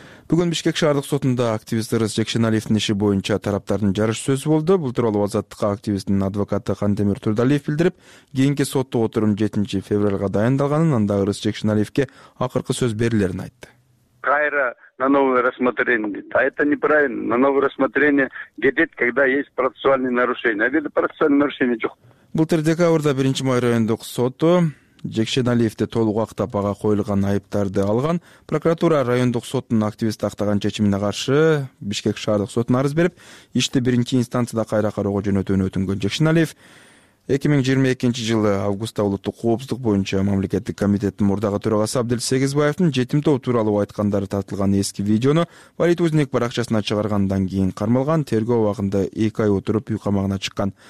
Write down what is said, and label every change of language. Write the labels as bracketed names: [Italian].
[Kyrgyz] Бүгүн Бишкек шаардык сотунда активист Ырыс Жекшеналиевдин иши боюнча тараптардын жарыш сөзү болду. Бул тууралуу Азаттыкка активисттин адвокаты Кантемир Турдалиев билдирип, кийинки соттук отурум 7-февралга дайындалганын, анда Ырыс Жекшеналиевке акыркы сөз берилерин айтты. [Russian] Кайра на новое рассмотрение. А это неправильно. На новое рассмотрение [Kyrgyz] кетет, [Russian] когда есть процессуальные нарушения. А где процессуальные нарушения [Kyrgyz] жок? Былтыр декабрда 1-май райондук соту Жекшеналиевди толук актап, ага коюлган айыптарды алган. Прокуратура райондук соттун активист актаган чечимине каршы Бишкек шаардык сотуна арыз берип, ишти биринчи инстанцияда кайра кароого жөнөтүүнү өтүнгөн. Жекшеналиев 2022-жылы августта улуттук коопсуздук боюнча мамлекеттик комитеттин мурдагы төрагасы Абдел Сегизбаевдин жетим топ тууралуу айткандары тартылган эски видеону Политузник баракчасына чыгаргандан кийин кармалган, тергөө убагында 2 ай отуруп үй камагына чыккан.